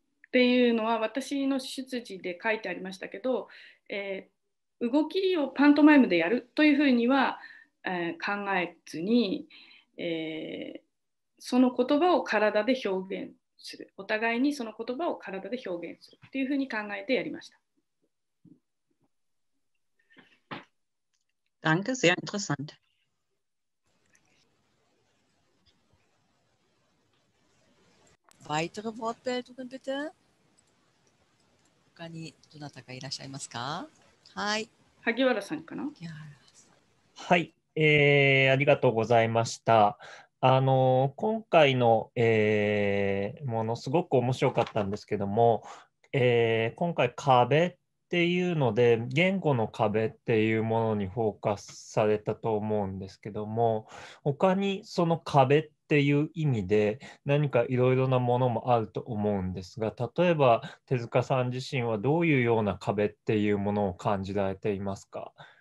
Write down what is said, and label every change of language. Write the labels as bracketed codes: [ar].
[ja] っていうのは私の出自で書いてありましたけど、動きをパントマイムでやるというふうには、考えずに、その言葉を体で表現する、お互いにその言葉を体で表現するというふうに考えてやりました。 [de] Danke, sehr interessant. Weitere Wortmeldungen bitte. [ja] 他にどなたがいらっしゃいますか？はい。萩原さんかな？萩原さん。はい、ありがとうございました。今回の、ものすごく面白かったんですけども、今回壁っていうので言語の壁っていうものにフォーカスされたと思うんですけども、他にその壁っていう意味で何かいろいろなものもあると思うんですが、例えば手塚さん自身はどういうような壁っていうものを感じられていますか？